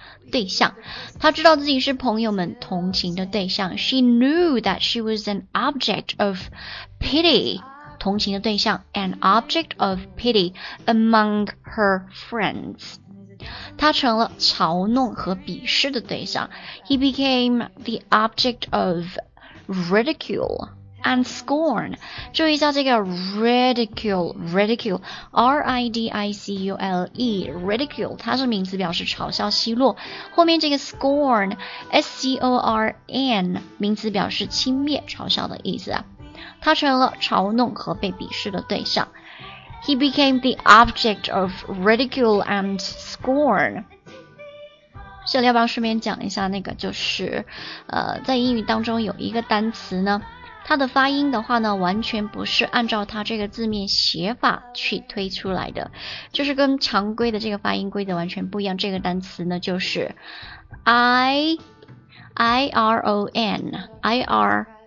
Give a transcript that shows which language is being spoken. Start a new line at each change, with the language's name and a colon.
Chinese: 对象，他知道自己是朋友们同情的对象。
English: She knew that she was an object of pity,
Chinese: 同情的对象
English: ，an object of pity among her friends.
Chinese: 他成了嘲弄和鄙视的对象。
English: He became the object of ridicule and scorn.
Chinese: 注意一下这个 ridicule, R-I-D-I-C-U-L-E, ridicule, 它是名词表示嘲笑奚落。后面这个 scorn, S-C-O-R-N, 名词表示轻蔑嘲笑的意思。它成了嘲弄和被鄙视的对象。
English: He became the object of ridicule and scorn.
Chinese: 这里要不要顺便讲一下那个就是在英语当中有一个单词呢，它的发音的话呢完全不是按照它这个字面写法去推出来的，就是跟常规的这个发音规则完全不一样。这个单词呢就是 iron